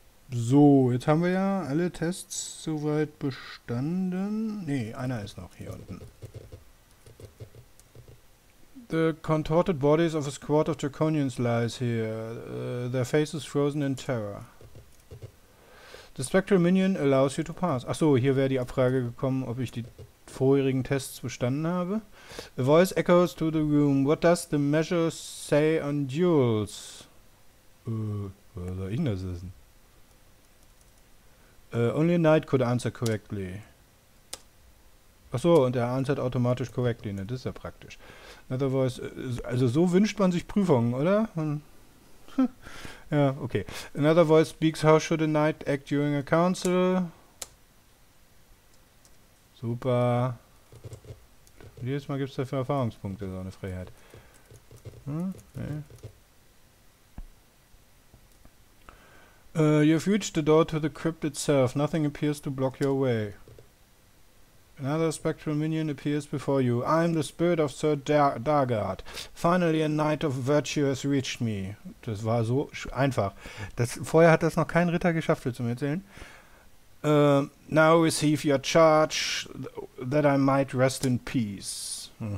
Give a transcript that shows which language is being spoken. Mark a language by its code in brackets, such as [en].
[de] So, jetzt haben wir ja alle Tests soweit bestanden. Nee, einer ist noch hier unten. [en] The contorted bodies of a squad of Draconians lies here. Their faces frozen in terror. The Spectral Minion allows you to pass. [de] Achso, hier wäre die Abfrage gekommen, ob ich die vorherigen Tests bestanden habe. [en] A voice echoes to the room. What does the measure say on duels? [de] Was soll ich denn das wissen? [en] Only a knight could answer correctly. [de] Achso, und er answert automatisch correctly. Ne? Das ist ja praktisch. [en] Another voice. [de] Also so wünscht man sich Prüfungen, oder? Ja, okay. [en] Another voice speaks, how should a knight act during a council? [de] Super. Und jedes Mal gibt es dafür Erfahrungspunkte, so eine Freiheit. [en] You've reached the door to the crypt itself. Nothing appears to block your way. Another spectral minion appears before you. I am the spirit of Sir Dargard. Finally a knight of virtue has reached me. [de] Das war so einfach. Vorher hat das noch kein Ritter geschafft, willst du mir erzählen? [en] Now receive your charge, that I might rest in peace.